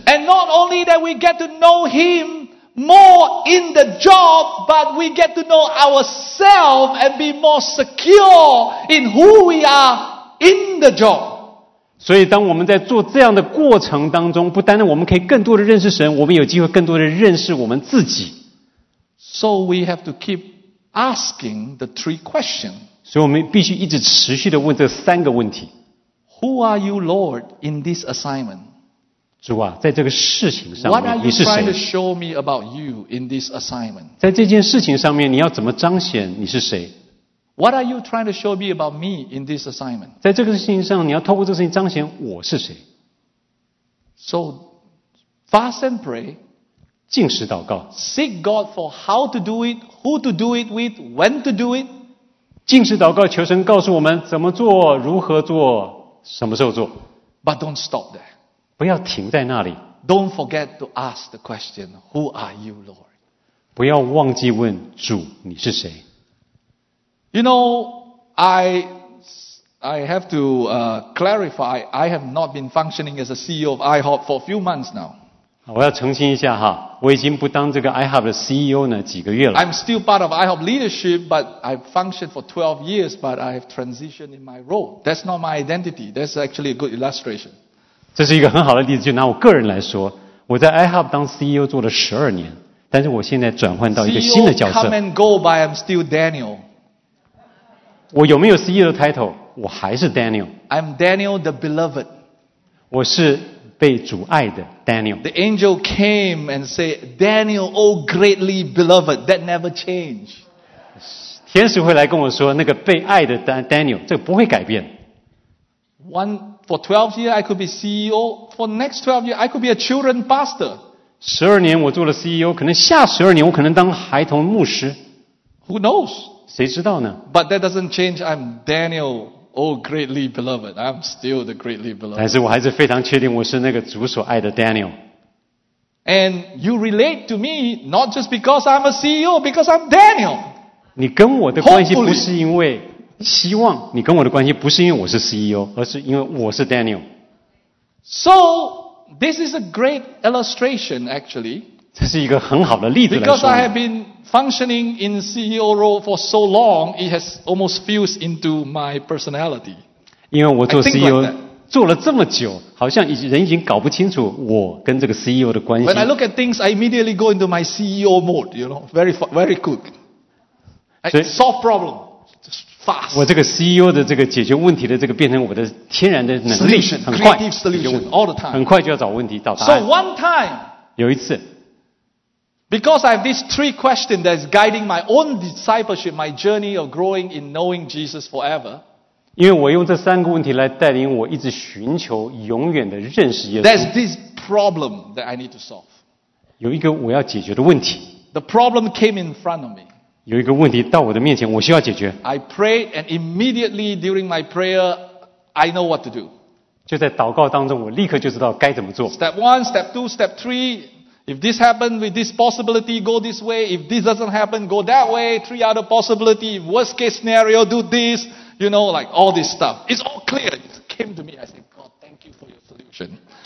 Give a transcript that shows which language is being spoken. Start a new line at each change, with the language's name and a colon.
English: And not only that we get to know HimMore in the job, but we get to know ourselves and be more secure in who we are in the job.
Chinese: 所以当我们在做这样的过程当中，不单单我们可以更多的认识神，我们有机会更多的认识我们自己。
English: So we have to keep asking the three questions.
Chinese: 所以我们必须一直持续地问这三个问题。
English: Who are you, Lord, in this assignment?
Chinese: 主啊，在这个事情上面，你是谁？
English: What are you trying to show me about you in this assignment?
Chinese: 在这件事情上面，你要怎么彰显你是谁？
English: What are you trying to show me about me in this assignment?
Chinese: 在这个事情上，你要透过这个事情彰显我是谁？
English: So, fast and pray.
Chinese: 禁食祷告。
English: Seek God for how to do it, who to do it with, when to do it.
Chinese: 禁食祷告，求神告诉我们怎么做，如何做，什么时候做。
English: But don't stop there.
Chinese: 不要停在那里。
English: Don't forget to ask the question, Who are you, Lord?
Chinese: 不要忘记问主，你是谁？
English: You know, I have to clarify, I have not been functioning as a CEO of IHOP for a few months now.
Chinese: 我要澄清一下哈，我已经不当这个 IHOP 的 CEO 呢几个月了。
English: I'm still part of IHOP leadership, but I've functioned for 12 years, but I have transitioned in my role. That's not my identity. That's actually a good illustration.
Chinese: 这是一个很好的例子，就拿我个人来说，我在 IHOP 当 CEO 做了12年，但是我现在转换到一个新的角色。
English: CEO come and go, but I'm still Daniel.
Chinese: 我有没有 CEO 的 title? 我还是 Daniel.
English: I'm Daniel the beloved.
Chinese: 我是被主爱的 Daniel.
English: The angel came and said, Daniel, oh greatly beloved, that never changed.
Chinese: 天使会来跟我说，那个被爱的 Daniel, 这个不会改变。
English: For 12 years, I could be CEO. For next 12 years, I could be a children pastor.
Chinese: 12年我做了 CEO, 可能下12年我可能当孩童牧师。
English: Who knows?
Chinese: 谁知道呢？
English: But that doesn't change I'm Daniel, oh greatly beloved. I'm still the greatly beloved.
Chinese: 但是我还是非常确定我是那个主所爱的 Daniel.
English: And you relate to me, not just because I'm a CEO, because I'm Daniel.
Chinese: 你跟我的关系不是因为希望你跟我的关系不是因为我是 CEO, 而是因为我是 Daniel.
English: So, this is a great illustration, actually.
Chinese: 这是一个很好的例子来说。
English: Because I have been functioning in CEO role for so long, it has almost fused into my personality.
Chinese: 因为我做 CEO 做了这么久，好像人已经搞不清楚我跟这个 CEO 的关系。
English: When I look at things, I immediately go into my CEO mode, you know, very, very quick. Solve problem. fast.
Chinese: 我这个 CEO 的这个解决问题的这个变成我的天然的能力，
English: solution,
Chinese: 很快
English: creative solution, all the time.
Chinese: 很快就要找问题找答案。
English: So one time,
Chinese: 有一次。
English: Because I have these three questions that is guiding my own discipleship, my journey of growing in knowing Jesus forever.
Chinese: 因为我用这三个问题来带领我一直寻求永远的认识耶稣。
English: There's this problem that I need to solve.
Chinese: 有一个我要解决的问题。
English: The problem came in front of me.
Chinese: 有一个问题到我的面前，我需要解决。
English: I prayed and immediately during my prayer, I know what to do.
Chinese: 就在祷告当中，我立刻就知道该怎么做。
English: Step one, step two, step three. If this happens with this possibility, go this way. If this doesn't happen, go that way. Three other possibility. Worst case scenario, do this. You know, like all this stuff. It's all clear. It came to me. I said, God, thank you for your solution.